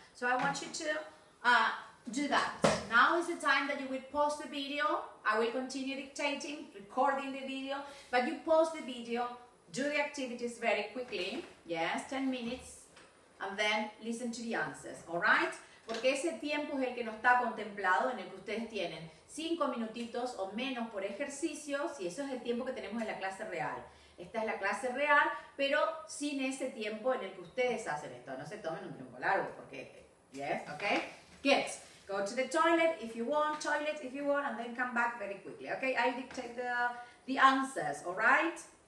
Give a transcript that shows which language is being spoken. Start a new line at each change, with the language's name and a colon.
English: So I want you to do that. Now is the time that you will pause the video. I will continue dictating, recording the video. But you pause the video, do the activities very quickly. Yes, 10 minutes. And then listen to the answers, all right?
Spanish: Porque ese tiempo es el que no está contemplado, en el que ustedes tienen 5 minutitos o menos por ejercicio, y eso es el tiempo que tenemos en la clase real. Esta es la clase real, pero sin ese tiempo en el que ustedes hacen esto. No se tomen un tiempo largo, porque,
English: yes, okay? Good. Go to the toilet if you want, and then come back very quickly, okay? I dictate the answers, all right?